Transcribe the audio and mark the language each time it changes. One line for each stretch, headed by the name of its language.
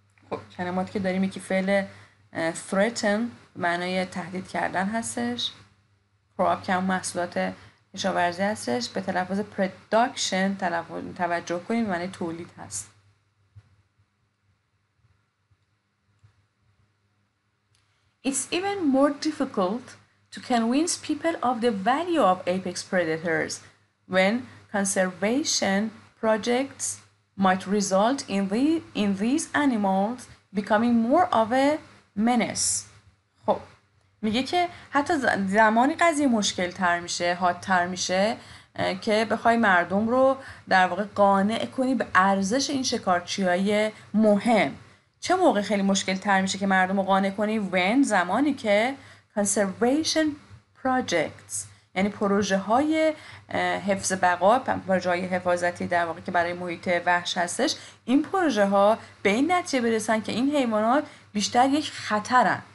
Persian: خب کلماتی که داریم یکی فعل threaten معنای تهدید کردن هستش، crop که هم محصولات کشاورزی هستش، به تلفظ production توجه کنیم معنای تولید هست.
English: It's even more difficult to convince people of the value of apex predators when conservation projects might result in these animals becoming more of a menace.
Persian: خب میگه که حتی زمانی قضیه مشکل تر میشه، حاد تر میشه که بخوای مردم رو در واقع قانع کنی به ارزش این شکارچیای مهم. چه موقع خیلی مشکل تر میشه که مردم رو قانع کنی؟ when زمانی که conservation projects یعنی پروژه های حفظ بقا، پروژه های حفاظتی در واقع که برای محیط وحش هستش، این پروژه ها به این نتیجه برسن که این حیوانات بیشتر یک خطرن.